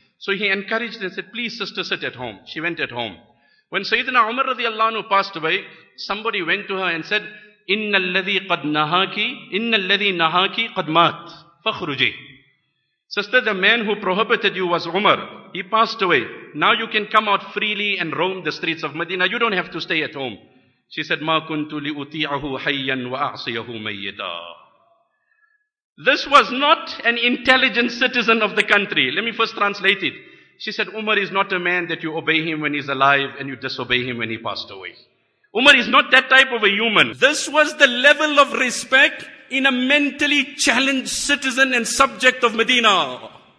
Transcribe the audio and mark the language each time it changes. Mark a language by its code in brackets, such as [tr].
[en] So he encouraged and said, please, sister, sit at home. She went at home. When Sayyidina Umar radiallahu anhu passed away, somebody went to her and said, [ar] إِنَّ الَّذِي قَدْ نَهَاكِ إِنَّ الَّذِي نَهَاكِ قَدْ مَاتْ فَخْرُجِ. [en] Sister, the man who prohibited you was Umar. He passed away. Now you can come out freely and roam the streets of Medina. You don't have to stay at home. She said, [ar] مَا كُنْتُ لِأُطِيعَهُ حَيًّا وَأَعْصِيَهُ مَيِّدًا. [en] This was not an intelligent citizen of the country. Let me first translate it. She said, Umar is not a man that you obey him when he's alive and you disobey him when he passed away. Umar is not that type of a human. This was the level of respect in a mentally challenged citizen and subject of Medina.